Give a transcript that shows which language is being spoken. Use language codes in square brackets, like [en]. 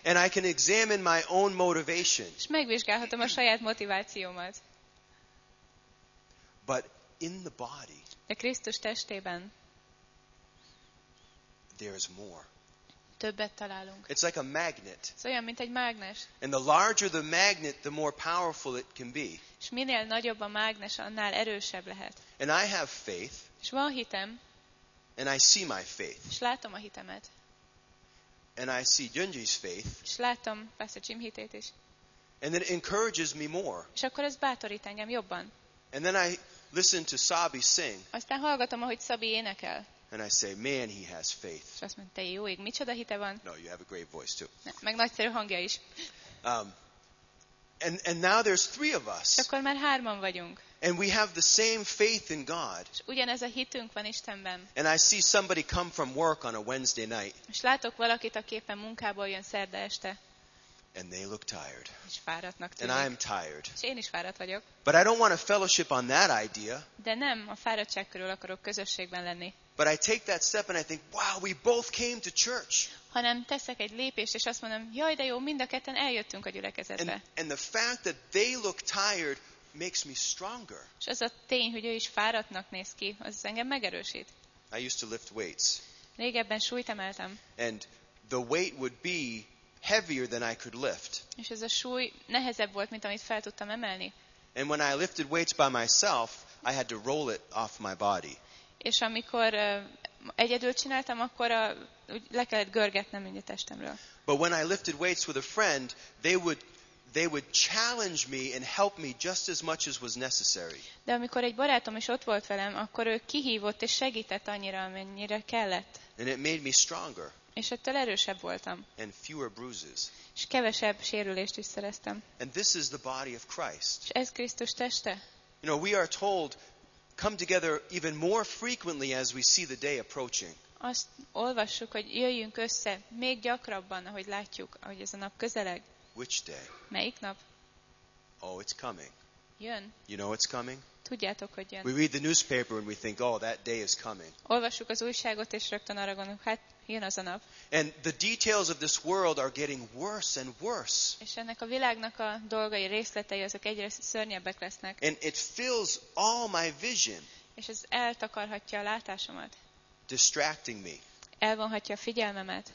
[en] And I can examine my own motivation. [hu] És megvizsgálhatom a saját motivációmat. [en] But in the body, [hu] de Krisztus testében, [en] there is more. [hu] Többet találunk. [en] It's like a magnet. [hu] Ez olyan, mint egy mágnes. [en] And the larger the magnet, the more powerful it can be. [hu] És minél nagyobb a mágnes, annál erősebb lehet. [en] And I have faith. [hu] És van hitem. [en] And I see my faith. [hu] És látom a hitemet. [en] And I see Gyöngyi's faith. [hu] És látom Pastor Jim hitét is. [en] And it encourages me more. [hu] És akkor ez bátorít engem jobban. [en] And then I listen to Sabi sing. [hu] Aztán hallgatom, ahogy Sabi énekel. [en] And I say, man, he has faith. [hu] És azt mondta, te jó ég, micsoda hite van. [en] No, you have a great voice too. [hu] Meg nagyszerű hangja is. [en] And now there's three of us. [hu] És akkor már hárman vagyunk. [en] And we have the same faith in God. [hu] És ugyanez a hitünk van Istenben. [en] And I see somebody come from work on a Wednesday night. [hu] És látok valakit, aki éppen munkából jön szerda este. [en] And they look tired. [hu] És fáradtnak tűnik. [en] And I'm tired. [hu] És én is fáradt vagyok. [en] But I don't want a fellowship on that idea. [hu] De nem a fáradtság körül akarok közösségben lenni. [en] But I take that step and I think, wow, we both came to church. [hu] Hanem teszek egy lépést és azt mondom, jaj, de jó, mind a ketten eljöttünk a gyülekezetbe. [en] And the fact that they look tired makes me stronger. [hu] És az a tény, hogy ő is fáradtnak néz ki, az engem megerősít. [en] I used to lift weights. [hu] Régebben súlyt emeltem. [en] And the weight would be heavier than I could lift. [hu] És ez a súly nehezebb volt, mint amit fel tudtam emelni. [en] And when I lifted weights by myself, I had to roll it off my body. [hu] És amikor egyedül csináltam, akkor le kellett görgetnem mindig testemről. [en] But when I lifted weights with a friend, they would challenge me and help me just as much as was necessary. [hu] De amikor egy barátom is ott volt velem, akkor ő kihívott és segített annyira, amennyire kellett. [en] And it made me stronger. [hu] És ettől erősebb voltam. [en] And fewer bruises. [hu] És kevesebb sérülést is szereztem. [en] And this is the body of Christ. [hu] És ez Krisztus teste. [en] You know, we are told, come together even more frequently as we see the day approaching. [hu] Azt olvassuk, hogy jöjjünk össze még gyakrabban, ahogy látjuk, ahogy ez a nap közeleg. [en] Which day? [hu] Melyik nap? [en] Oh, it's coming. [hu] Jön. [en] You know it's coming? [hu] Tudjátok, hogy jön. [en] We read the newspaper and we think, oh, that day is coming. [hu] Olvassuk az újságot és rögtön arra gondolunk, hát jön az a nap. [en] And the details of this world are getting worse and worse. [hu] És ennek a világnak a dolgai, részletei azok egyre szörnyebbek lesznek. [en] And it fills all my vision. [hu] És ez eltakarhatja a látásomat. [en] Distracting me. [hu] elvonhatja a figyelmemet.